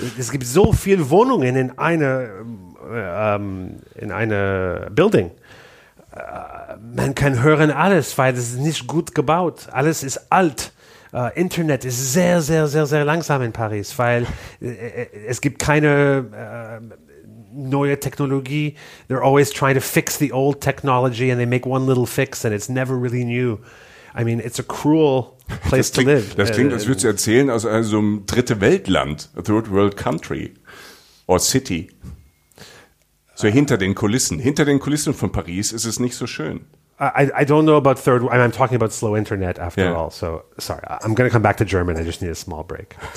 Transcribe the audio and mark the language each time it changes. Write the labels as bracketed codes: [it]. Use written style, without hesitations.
[de] Es gibt so viele Wohnungen in einer Building. Man kann hören alles, weil es nicht gut gebaut. Alles ist alt. Internet ist sehr, sehr, sehr, sehr langsam in Paris, weil es gibt keine neue Technologie. [en] They're always trying to fix the old technology and they make one little fix and it's never really new. I mean, it's a cruel place to live. [de] Das klingt, als würdest du erzählen aus also einem dritte Weltland, [en] a third world country or city. [de] So hinter den Kulissen. Hinter den Kulissen von Paris ist es nicht so schön. [en] I don't know about third, I'm talking about slow internet after yeah. all, so sorry, I'm going to come back to German, I just need a small break.